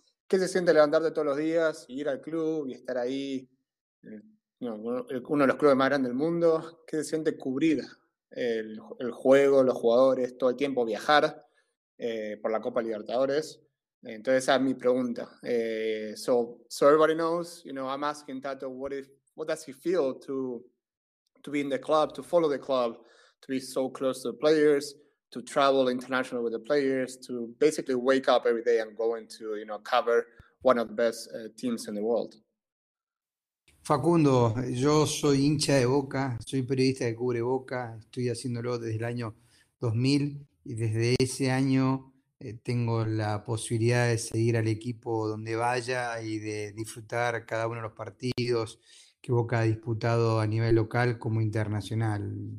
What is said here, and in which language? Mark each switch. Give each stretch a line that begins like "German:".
Spanish: ¿Qué se siente levantarte todos los días y ir al club y estar ahí, uno de los clubes más grandes del mundo? ¿Qué se siente cubrir el juego, los jugadores, todo el tiempo viajar por la Copa Libertadores? Entonces esa es mi pregunta.
English: So everybody knows, I'm asking Tato, what does he feel to be in the club, to follow the club, to be so close to the players, to travel internationally with the players, to basically wake up every day and go into, cover one of the best teams in the world.
Spanish: Facundo, yo soy hincha de Boca, soy periodista que cubre Boca, estoy haciéndolo desde el año 2000 y desde ese año tengo la posibilidad de seguir al equipo donde vaya y de disfrutar cada uno de los partidos que Boca ha disputado a nivel local como internacional.